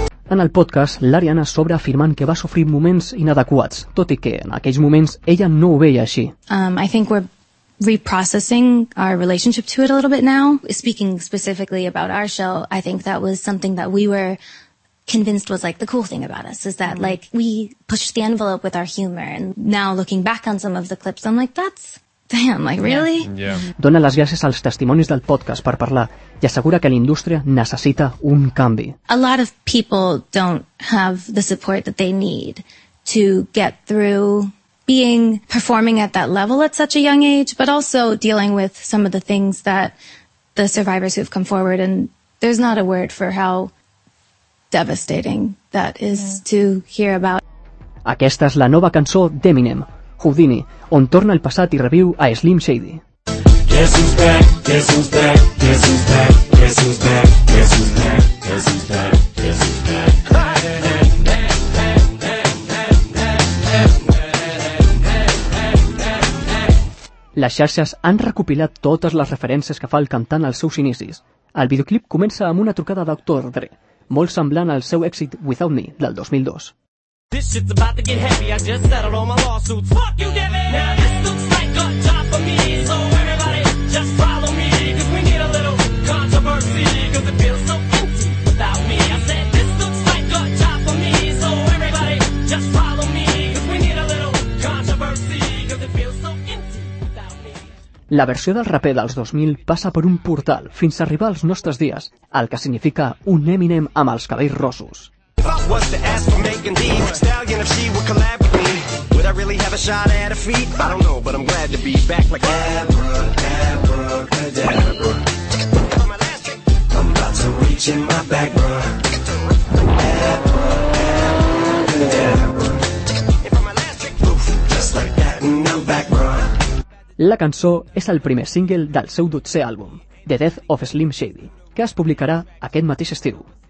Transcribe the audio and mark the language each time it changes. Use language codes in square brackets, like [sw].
[ca] En el podcast, l'Ariana s'obre afirmant que va sofrir moments inadequats, tot i que en aquells moments ella no ho veia així. [en] I think we're reprocessing our relationship to it a little bit now. Speaking specifically about our show, I think that was something that we were convinced was like the cool thing about us, is that like we pushed the envelope with our humor, and now looking back on some of the clips, I'm like, that's... Damn, like, really? Yeah. [ca] Dona les gràcies als testimonis del podcast per parlar i assegura que l'indústria necessita un canvi. [en] A lot of people don't have the support that they need to get through being performing at that level at such a young age, but also dealing with some of the things that the survivors who've come forward, and there's not a word for how devastating that is to hear about. [ca] Aquesta és la nova cançó d'Eminem, Houdini, on torna al passat i reviu a Slim Shady. Les xarxes han recopilat totes les referències que fa el cantant als seus inicis. El videoclip comença amb una trucada d'Dr. Dre, molt semblant al seu èxit Without Me del 2002. [en] This shit's about to get heavy, I just settled all my lawsuits. Fuck you, Devin! Now this looks like a job for me, so everybody just follow me, cause we need a little controversy, cause it feels so empty without me. I said this looks like a job for me, so everybody just follow me, cause we need a little controversy, cause it feels so empty without me. [ca] La versió del raper dels 2000 passa per un portal fins a arribar als nostres dies, el que significa un Eminem amb els cabells rossos. [en] Was to ask for Megan Thee Stallion if she would collab with me. Would I really have a shot at a feat? I don't know, but I'm glad to be back like Abracadabra. I'm about to reach in my back, bruh. Abracadabra. Just like that and I'm back, bruh. [ca] La cançó és el primer single del seu 12è àlbum, The Death of Slim Shady, que es publicarà aquest mateix estiu.